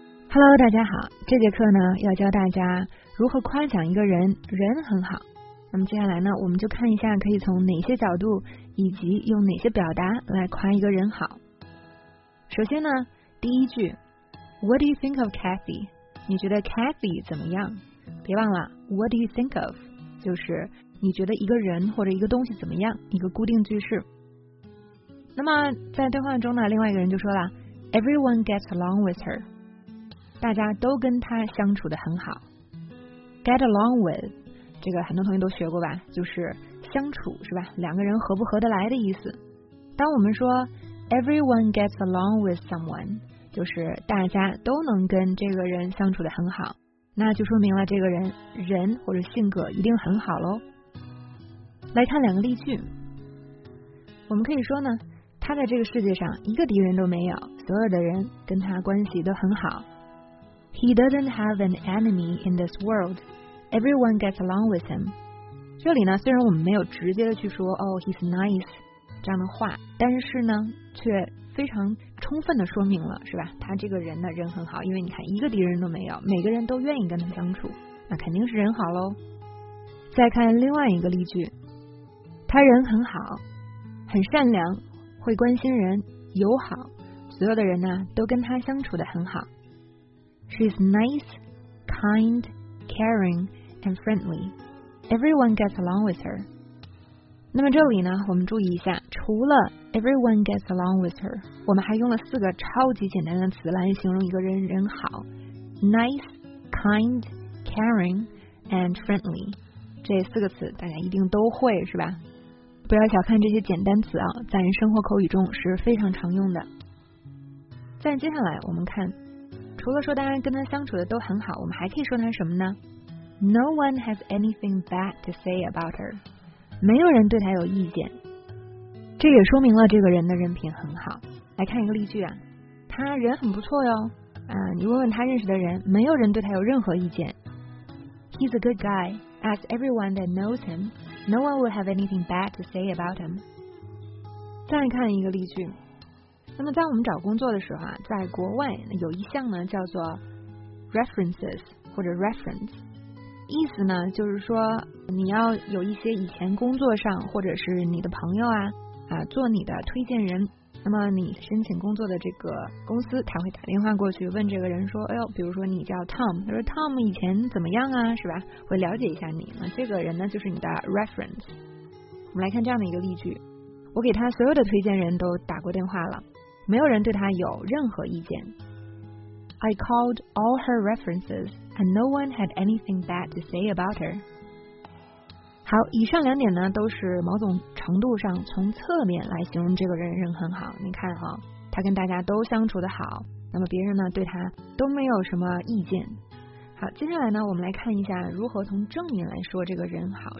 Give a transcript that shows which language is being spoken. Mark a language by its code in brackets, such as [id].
[zh] Hello， 大家好，这节课呢要教大家如何夸奖一个人，人很好。那么接下来呢，我们就看一下可以从哪些角度以及用哪些表达来夸一个人好。首先呢，第一句 [en] What do you think of Kathy? [zh] 你觉得 Kathy 怎么样？别忘了 [en] What do you think of? [zh] 就是你觉得一个人或者一个东西怎么样，一个固定句式。那么在对话中呢，另外一个人就说了 [en] Everyone gets along with her， [zh] 大家都跟他相处得很好。 [en] get along with [zh] 这个很多同学都学过吧，就是相处是吧，两个人合不合得来的意思。当我们说 [en] everyone gets along with someone， [zh] 就是大家都能跟这个人相处得很好，那就说明了这个人人或者性格一定很好咯。来看两个例句，我们可以说呢，他在这个世界上一个敌人都没有，所有的人跟他关系都很好。 [en] He doesn't have an enemy in this world. Everyone gets along with him. [zh] 这里呢，虽然我们没有直接的去说 [en] Oh, he's nice [zh] 这样的话，但是呢，却非常充分的说明了，是吧？他这个人呢，人很好，因为你看一个敌人都没有，每个人都愿意跟他相处，那肯定是人好咯。再看另外一个例句，他人很好，很善良，会关心人，友好，所有的人呢，都跟他相处得很好。 [en] She's nice, kind, caring, and friendly. Everyone gets along with her. [zh] 那么这里呢，我们注意一下，除了 [en] everyone gets along with her， [zh] 我们还用了四个超级简单的词来形容一个人人好 ： [en] nice, kind, caring, and friendly。 [zh] 这四个词大家一定都会是吧？不要小看这些简单词啊，在生活口语中是非常常用的。再接下来我们看。除了说大家跟他相处的都很好，我们还可以说他什么呢？ [en] No one has anything bad to say about her. [zh] 没有人对他有意见。这也说明了这个人的人品很好。来看一个例句啊，他人很不错哟。你问问他认识的人，没有人对他有任何意见。 [en] He's a good guy. Ask everyone that knows him. No one will have anything bad to say about him. [zh] 再看一个例句。那么在我们找工作的时候啊，在国外有一项呢叫做 references 或者 reference， 意思呢就是说你要有一些以前工作上或者是你的朋友啊做你的推荐人。那么你申请工作的这个公司，他会打电话过去问这个人说，哎呦，比如说你叫 Tom， 他说 Tom 以前怎么样啊，是吧？会了解一下你。那这个人呢就是你的 reference。我们来看这样的一个例句，我给他所有的推荐人都打过电话了，没有人对他有任何意见。 [en] I called all her references and no one had anything bad to say about her. [zh] 好，以上两点呢都是某种程度上从侧面来形容这个人人很好。你看哈，他跟大家都相处得好，那么别人呢对他都没有什么意见。好，接下来呢我们来看一下如何从正面来说这个人好。